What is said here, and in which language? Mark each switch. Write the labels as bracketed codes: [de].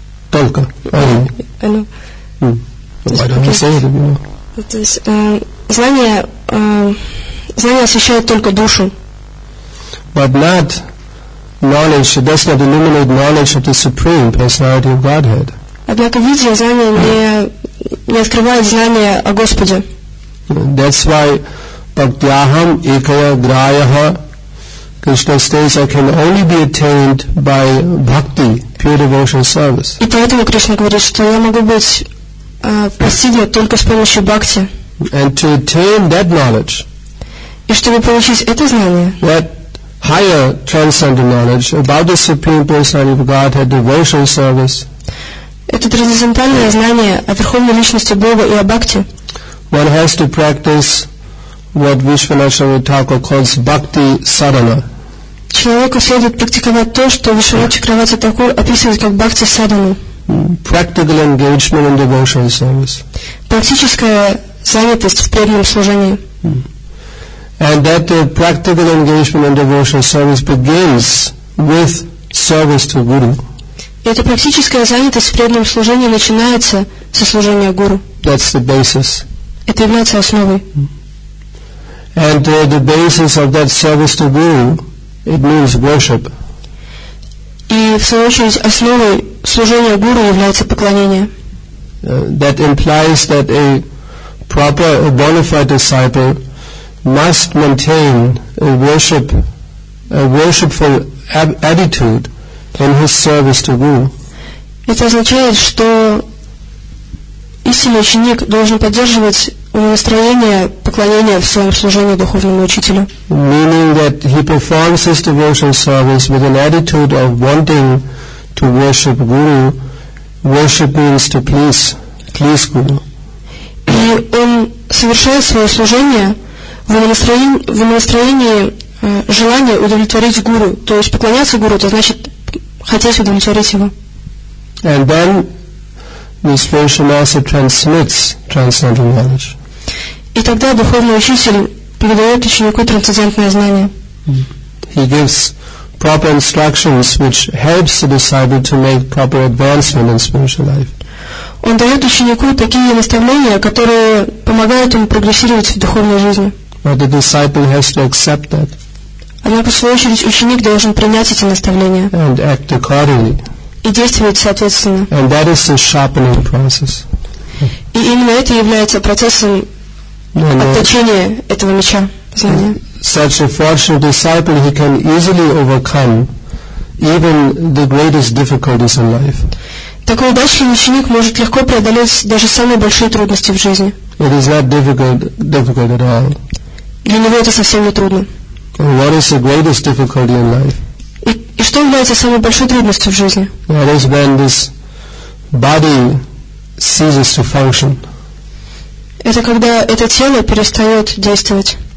[ru] Tolka, [en] only. I know. Hmm. Why don't you say it, you know? It is, [ru] знание освещает только душу. [en] But not knowledge, it does not illuminate knowledge of the Supreme Personality of Godhead. [ru] Однако видя знание не открывает знание о Господе. [en] That's why Bhaktyaham Ekaya Grayaha Krishna states I can only be attained by bhakti, pure devotional service. [ru] И поэтому Кришна говорит, что я могу быть постигнут только с помощью бхакти. [en] And to attain that knowledge. [ru] И чтобы получить это знание. [en] That higher transcendental knowledge about the Supreme Personality of Godhead, devotional service. [ru] Это трансцендентальное знание о Верховной Личности Бога и о бхакти. [en] One has to practice what Vishwanath Chakravarti Thakur calls bhakti sadhana. [ru] Человеку следует практиковать то, что Вишванат Чакраварти Такур описывает как бхакти садхану. [en] Practical engagement in devotional service. [ru] Практическая занятость в преданном служении. [en] And that the practical engagement in devotional service begins with service to Guru. [ru] Эта практическая занятость в преданном служении начинается со служения Гуру. [en] That's the basis. [ru] Это является основой. [en] And the basis of that service to Guru, it means worship. [ru] И в свою очередь основой служения Гуру является поклонение. [en] That implies that a proper, a bona fide disciple must maintain a worshipful attitude in his service to Guru. [ru] Это означает, что истинный ученик должен поддерживать настроение поклонения в своем служении духовному учителю. [en] Meaning that he performs his devotional service with an attitude of wanting to worship Guru. Worship means to please Guru. [ru] И он совершает свое служение в настроении желания удовлетворить Гуру. То есть поклоняться Гуру, это значит хотеть удовлетворить его. [en] And then this person also transmits transcendental knowledge. [ru] И тогда духовный учитель передает ученику трансцендентное знание. [en] He gives proper instructions, which helps the disciple to make proper advancement in spiritual life. [ru] Он дает ученику такие наставления, которые помогают ему прогрессировать в духовной жизни. [en] But the disciple has to accept that. [ru] Однако, в свою очередь, ученик должен принять эти наставления. [en] And act accordingly. [ru] И действовать соответственно. [en] And that is the sharpening process. [ru] И именно это является процессом отточения этого меча, знания. [en] Such a fortunate disciple, he can easily overcome even the greatest difficulties in life. [ru] Такой удачливый ученик может легко преодолеть даже самые большие трудности в жизни. [en] It is not difficult at all. [ru] Для него это совсем не трудно. [en] What is the greatest difficulty in life? [ru] И что является самой большой трудностью в жизни? [en] That is when this body ceases to function. [ru] Это когда это тело перестает действовать.